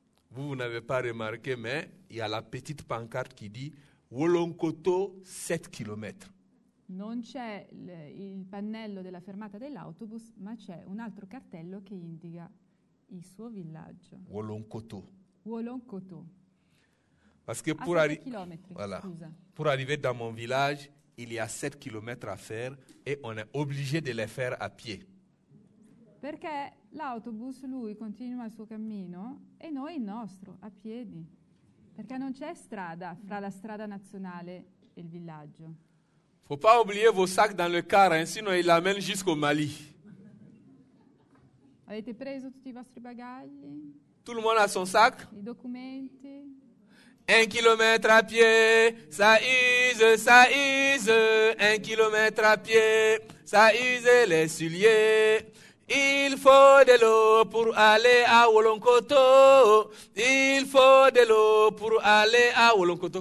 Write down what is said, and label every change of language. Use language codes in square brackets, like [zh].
[fr] Vous n'avez pas remarqué, mais il y a la petite pancarte qui dit Wolonkoto 7 km. [it] Non c'è il pannello della fermata dell'autobus, ma c'è un altro cartello che indica il suo villaggio. [fr] Wolonkoto. Wolonkoto. Parce que pour arriver dans mon village, il y a 7 km à faire et on est obligé de les faire à pied. [it] Perché l'autobus lui continua il suo cammino e noi il nostro a piedi. Perché non c'è strada fra la strada nazionale e il villaggio. [fr] Faut pas oublier vos sacs dans le car, hein, sinon il l'amène jusqu'au Mali. [it] Avete preso tutti i vostri bagagli? [fr] Tout le monde a son sac? [it] I documenti? [fr] Un kilomètre à pied, ça use, un kilomètre à pied, ça use les souliers. Il faut de l'eau pour aller à Wolonkoto, il faut de l'eau pour aller à Wolonkoto.